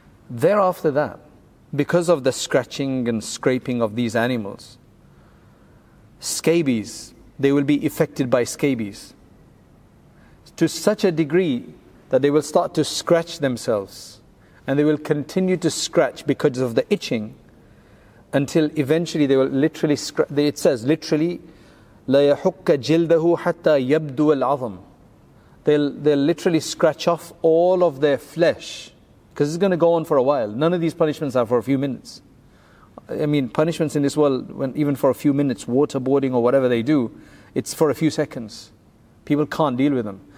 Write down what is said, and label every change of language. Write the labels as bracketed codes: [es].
[en] Thereafter that, because of the scratching and scraping of these animals, scabies, they will be affected by scabies to such a degree that they will start to scratch themselves. And they will continue to scratch because of the itching, until eventually they will literally scratch. It says literally, [ar] لَيَحُكَّ جِلْدَهُ حَتَّى يَبْدُوَ الْعَظَمُ. [en] They'll literally scratch off all of their flesh, because it's going to go on for a while. None of these punishments are for a few minutes. I mean, punishments in this world, when even for a few minutes, waterboarding or whatever they do, it's for a few seconds. People can't deal with them.